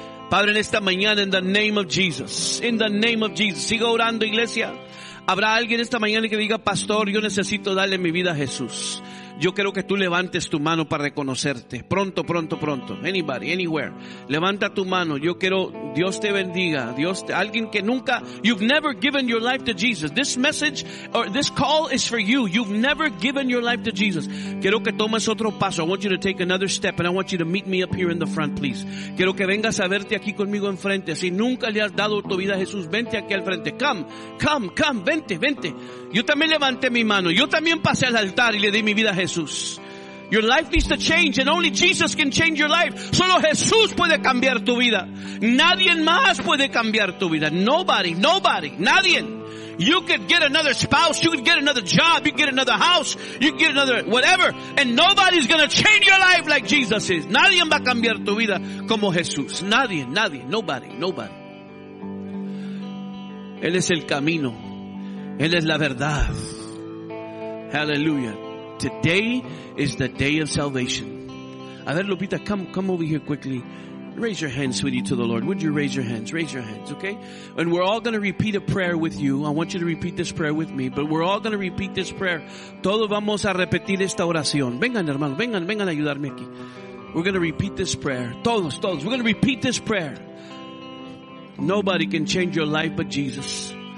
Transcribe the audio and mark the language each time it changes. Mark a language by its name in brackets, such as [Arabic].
[Spanish] Padre, en esta mañana, [English] in the name of Jesus, in the name of Jesus, [Spanish] siga orando, iglesia. Habrá alguien esta mañana que diga, pastor, yo necesito darle mi vida a Jesús. Yo quiero que tú levantes tu mano para reconocerte. Pronto, pronto, pronto. [English] Anybody, anywhere. [Spanish] Levanta tu mano. Yo quiero, Dios te bendiga. Alguien que nunca, [English] you've never given your life to Jesus. This message or this call is for you. You've never given your life to Jesus. [Spanish] Quiero que tomes otro paso. [English] I want you to take another step and I want you to meet me up here in the front, please. [Spanish] Quiero que vengas a verte aquí conmigo enfrente. Si nunca le has dado tu vida a Jesús, vente aquí al frente. [English] Come. [Spanish] Vente. Yo también levanté mi mano. Yo también pasé al altar y le di mi vida a Jesús. [English] Your life needs to change and only Jesus can change your life. [Spanish] Solo Jesús puede cambiar tu vida. Nadie más puede cambiar tu vida. [English] Nobody. [Spanish] Nadie. [English] You could get another spouse. You could get another job. You could get another house. You could get another whatever. And nobody's going to change your life like Jesus is. [Spanish] Nadie va a cambiar tu vida como Jesús. Nadie. [English] Nobody. [Spanish] Él es el camino. Él es la verdad. Hallelujah. [English] Today is the day of salvation. [Spanish] A ver, [English] Lupita, come over here quickly. Raise your hands, sweetie, to the Lord. Would you raise your hands? Raise your hands, okay? And we're all going to repeat a prayer with you. I want you to repeat this prayer with me. But we're all going to repeat this prayer. [Spanish] Todos vamos a repetir esta oración. Vengan, hermano. Vengan a ayudarme aquí. [English] We're going to repeat this prayer. [Spanish] Todos. [English] We're going to repeat this prayer. Nobody can change your life but Jesus.